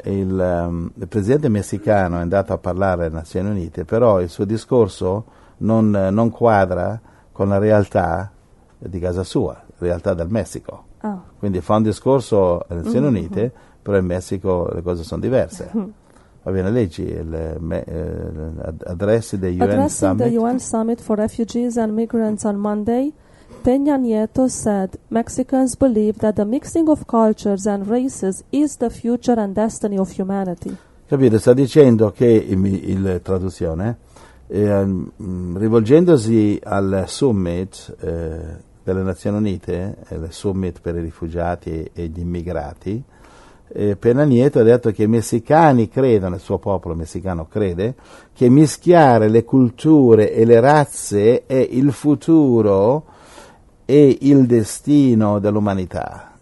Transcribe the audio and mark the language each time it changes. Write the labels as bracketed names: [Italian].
[Italian] Il presidente messicano è andato a parlare alle Nazioni Unite, però il suo discorso non quadra con la realtà di casa sua, la realtà del Messico. Oh. Quindi fa un discorso alle Nazioni Unite, però in Messico le cose sono diverse. Va bene, leggi l'addressi del UN [English] Addressing Summit. The UN Summit for Refugees and Migrants on Monday, Peña Nieto said, Mexicans believe that the mixing of cultures and races is the future and destiny of humanity. [Italian] Capito, sta dicendo che, in traduzione, rivolgendosi al summit delle Nazioni Unite, il summit per i rifugiati e gli immigrati, Peña Nieto ha detto che i messicani credono, il suo popolo messicano crede, che mischiare le culture e le razze è il futuro e il destino dell'umanità.